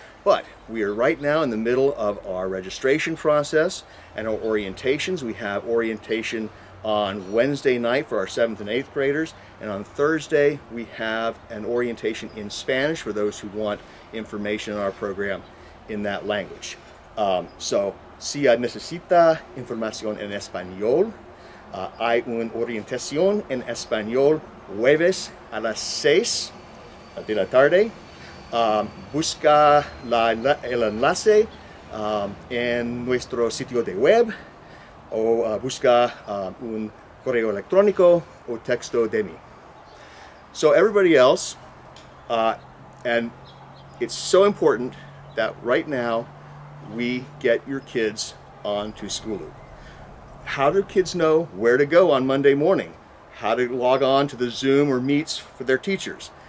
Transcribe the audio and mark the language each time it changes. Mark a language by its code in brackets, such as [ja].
[en] But we are right now in the middle of our registration process and our orientations. We have orientation on Wednesday night for our 7th and 8th graders, and on Thursday we have an orientation in Spanish for those who want information on our program in that language. [es] So, si necesita información en español, hay una orientación en español jueves a las 6 de la tarde. Busca el enlace en nuestro sitio de web o busca un correo electrónico o texto de mí. [en] So everybody else, and it's so important that right now we get your kids onto Skooloo. How do kids know where to go on Monday morning? How to log on to the Zoom or Meets for their teachers?